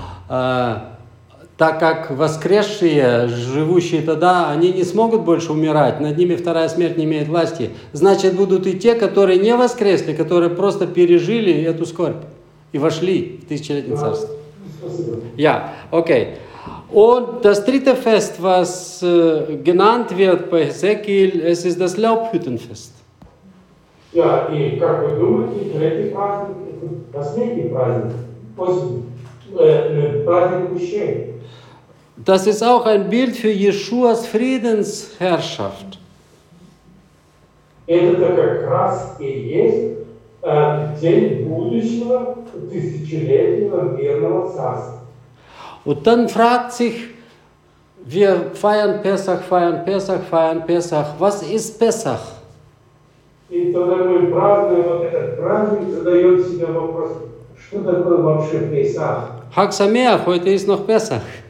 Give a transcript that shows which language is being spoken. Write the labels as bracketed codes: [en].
[ru] Так как воскресшие, живущие тогда, они не смогут больше умирать, над ними вторая смерть не имеет власти. Значит, будут и те, которые не воскресли, которые просто пережили эту скорбь и вошли в тысячелетнее царство. [de] Ja, okay. Und das dritte Fest, was genannt wird bei Hesekiel, es ist das Laubhüttenfest. Ja, und [ru] как вы думаете, третий праздник, [de] das nächste [ru] праздник, после праздник Кущей. [de] Das ist auch ein Bild für Jeschuas Friedensherrschaft. [ru] Это как раз и есть день будущего тысячелетнего мирного царства. [de] Und dann fragt sich, wir feiern Pessach, feiern Pessach, feiern Pessach. Was ist Pessach? Chag Sameach, heute ist noch Pessach.